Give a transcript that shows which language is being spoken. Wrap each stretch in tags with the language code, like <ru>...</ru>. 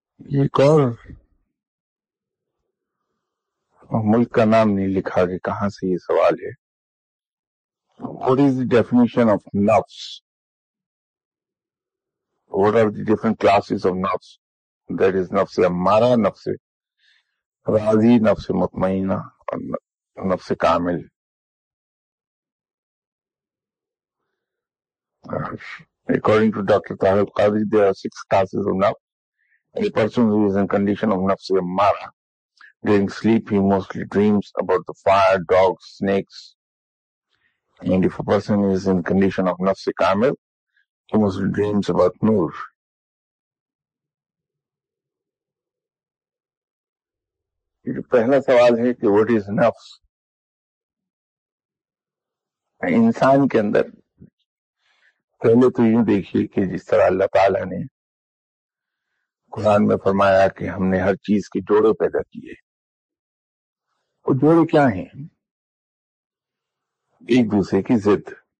<ur>یہ کال ملک کا نام نہیں لکھا کہ کہاں سے یہ سوال ہے.</ur> <en>What is the definition of nafs? What are the different classes of nafs? That is nafs amara, nafs razi, nafs mutmainna, nafs kamil. According to Dr. Tahir Qadri, there are 6 classes of nafs. A person who is in condition of nafs amara, during sleep he mostly dreams about the fire, dogs, snakes. And if a person is in condition of nafs kamil, he mostly dreams about noor. The first question is, what is nafs?</en> <ur>Insan ke andar, pehle to yun dekhiye ki jis tarah Allah Taala ne قرآن میں فرمایا کہ ہم نے ہر چیز کے جوڑے پیدا کیے، وہ جوڑے کیا ہیں؟ ایک دوسرے کی ضد،</ur>